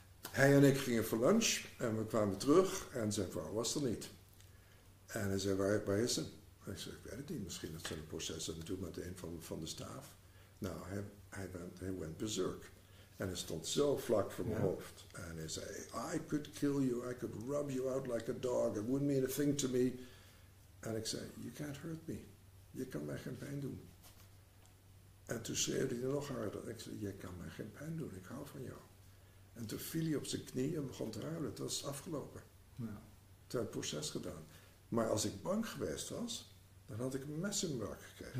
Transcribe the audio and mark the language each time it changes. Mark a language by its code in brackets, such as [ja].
[nl] Hij en ik gingen voor lunch en we kwamen terug en zijn vrouw was er niet. En hij zei, waar is ze? Ik zei, ik weet het niet, misschien dat ze een proces aan het doen met een van de staaf. Nou, hij [en] went berserk. [nl] En hij stond zo vlak voor mijn hoofd. En hij zei, [en] I could kill you, I could rub you out like a dog, it wouldn't mean a thing to me. [nl] En ik zei, [en] you can't hurt me, [nl] je kan mij geen pijn doen. En toen schreeuwde hij nog harder. Ik zei, je kan mij geen pijn doen, ik hou van jou. En toen viel hij op zijn knie en begon te huilen, het was afgelopen. Ja. Toen had het proces gedaan. Maar als ik bang geweest was, dan had ik een mes in mijn rug gekregen.